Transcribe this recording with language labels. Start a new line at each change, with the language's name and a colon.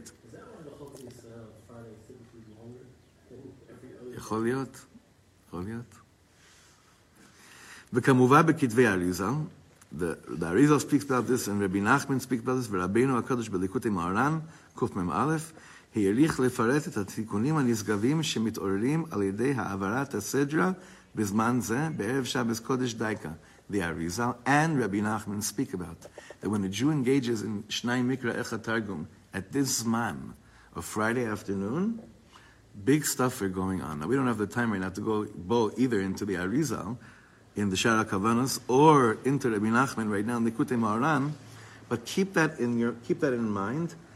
English: Is that why the Chol is Friday is typically longer than every other day? Chol Yot. Chol Yot.
Hebrew: V'kamuva b'kitvei
English: Arizal, the Arizal speaks about this, and Rabbi Nachman speaks about this,
Hebrew: v'Rabbeinu HaKadosh b'Likutei Maharan, Kuf Mem Aleph, העריך לפרט את התיקונים הנשגבים שמתעוררים על ידי העברת הסדרה בזמן זה, בערב שבס קודש דייקה.
English: The Arizal and Rabbi Nachman speak about that when a Jew engages in Shnai Mikra Echa Targum at this Zman of Friday afternoon, big stuff are going on. Now, we don't have the time right now to go both either into the Arizal in the Shara Kavanos or into Rabbi Nachman right now in the Kutei Maharan, but keep that in mind.